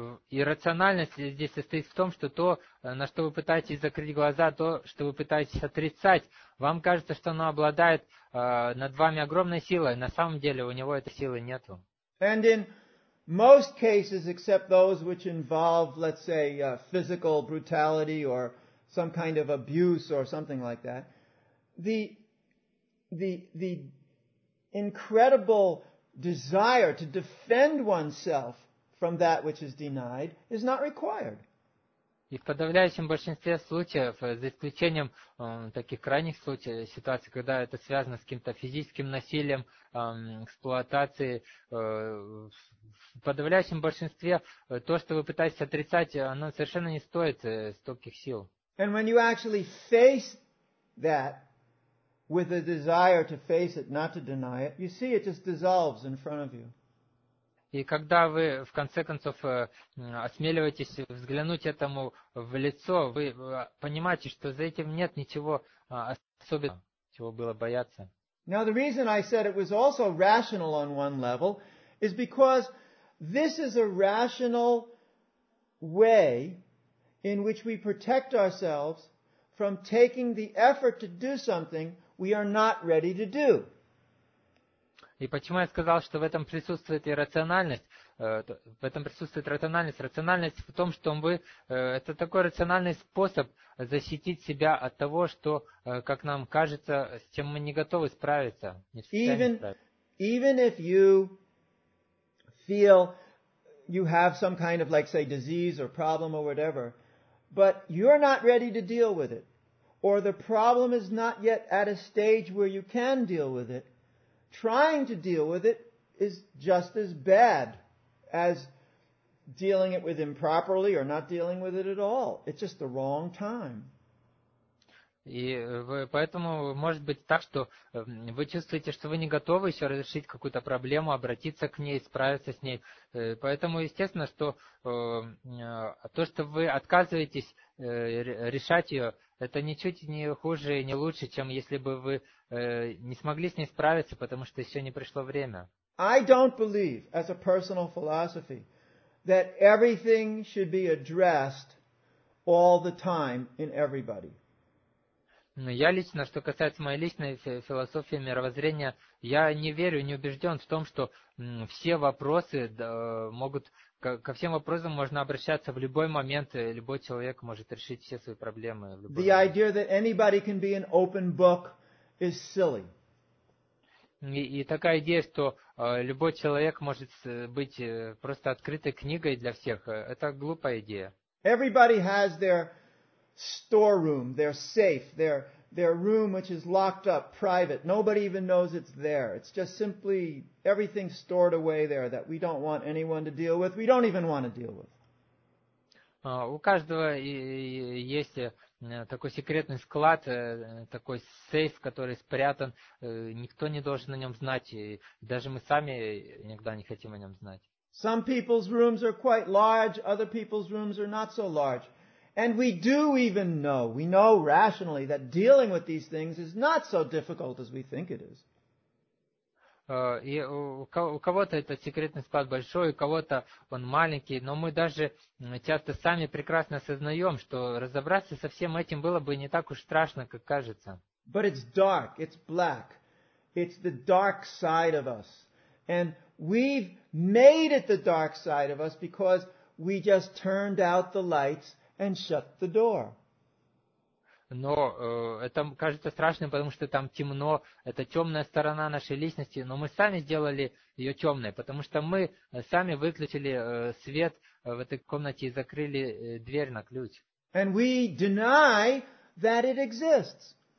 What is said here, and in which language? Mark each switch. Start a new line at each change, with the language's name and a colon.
Russian: Иррациональность здесь состоит в том, что то, на что вы пытаетесь закрыть глаза, то, что вы пытаетесь отрицать, вам кажется, что оно обладает над вами огромной силой, на самом деле у него этой силы нету.
English: And in most cases, except those which involve, let's say, physical brutality or some kind of abuse or something like that, the incredible desire to defend oneself from that which is denied is not required.
Russian: И в подавляющем большинстве случаев, за исключением таких крайних случаев, ситуаций, когда это связано с каким-то физическим насилием, эксплуатацией, в подавляющем большинстве то, что вы пытаетесь отрицать, оно совершенно не стоит стольких сил.
English: And when you actually face that with a desire to face it, not to deny it, you see it just dissolves in front of you.
Russian: И когда вы, в конце концов, осмеливаетесь взглянуть этому в лицо, вы понимаете, что за этим нет ничего особенного, чего было бояться.
English: Now, the reason I said it was also rational on one level is because this is a rational way in which we protect ourselves from taking the effort to do something we are not ready to do.
Russian: И почему я сказал, что в этом присутствует иррациональность? В этом присутствует рациональность. Рациональность в том, что вы... Это такой рациональный способ защитить себя от того, что, как нам кажется, с чем мы не готовы справиться.
English: Even if you feel you have some kind of, like, say, disease or problem or whatever, but you're not ready to deal with it, or the problem is not yet at a stage where you can deal with it, trying to deal with it is just as bad as dealing it with improperly or not dealing with it at all. It's just the wrong time.
Russian: И поэтому может быть так, что вы чувствуете, что вы не готовы еще разрешить какую-то проблему, обратиться к ней, справиться с ней. Поэтому естественно, что то, что вы отказываетесь решать ее, это ничуть не хуже и не лучше, чем если бы вы не смогли с ней справиться, потому что еще не пришло время.
English: I don't believe, as a personal philosophy, that everything should be addressed all the time in everybody.
Russian: Но я лично, что касается моей личной философии мировоззрения, я не верю, не убежден в том, что все вопросы могут, ко всем вопросам можно обращаться в любой момент, любой человек может решить все свои проблемы. В любой
English: The
Russian: момент.
English: Idea that anybody can be an open book is silly.
Russian: И такая идея, что любой человек может быть просто открытой книгой для всех, это глупая идея.
English: Everybody has their storeroom, their safe, their room which is locked up, private. Nobody even knows it's there. It's just simply everything stored away there that we don't want anyone to deal with. We don't even want to deal with.
Russian: У каждого есть такой секретный склад, такой сейф, который спрятан. Никто не должен о нем знать. И даже мы сами никогда не хотим о нем знать.
English: Some people's rooms are quite large, other people's rooms are not so large. And we do even know, we know rationally, that dealing with these things is not so difficult as we think it is.
Russian: И у кого-то этот секретный склад большой, у кого-то он маленький, но мы даже часто сами прекрасно осознаем, что разобраться со всем этим было бы не так уж страшно, как кажется.
English: But it's dark, it's black, it's the dark side of us. And we've made it the dark side of us because we just turned out the lights and shut the door.
Russian: Но это кажется страшным, потому что там темно, это темная сторона нашей личности, но мы сами сделали ее темной, потому что мы сами выключили свет в этой комнате и закрыли дверь на ключ.
English: And we deny that it exists.